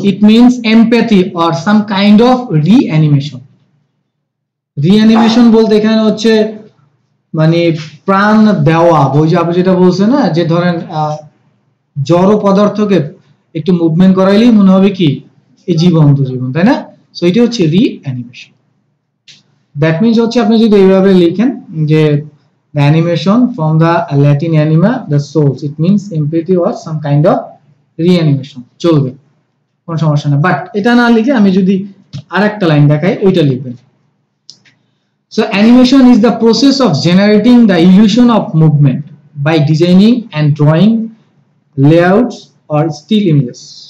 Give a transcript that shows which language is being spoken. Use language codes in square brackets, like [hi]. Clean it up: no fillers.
[en] It means empathy or some kind of reanimation. [bn] Reanimation বলতে এখানে হচ্ছে মানে প্রাণ দেওয়া, বুঝি আপনি যেটা বলছেন না, যে ধরেন জড় পদার্থকে একটু মুভমেন্ট করাইলেই মনে হবে কি এই জীবন্ত জীবন, তাই না? সো এটা হচ্ছে রিঅ্যানিমেশন। দ্যাট মিন্স হচ্ছে আপনি যদি এইভাবে লিখেন যে [en] the animation from the Latin anima the souls, it means empathy or some kind of reanimation, [bn] চলবে, কোনো সমস্যা না। বাট এটা না লিখে আমি যদি আর একটা লাইন দেখাই ওইটা লিখবেন। [en] So animation is the process of generating the illusion of movement by designing and drawing layouts or still images.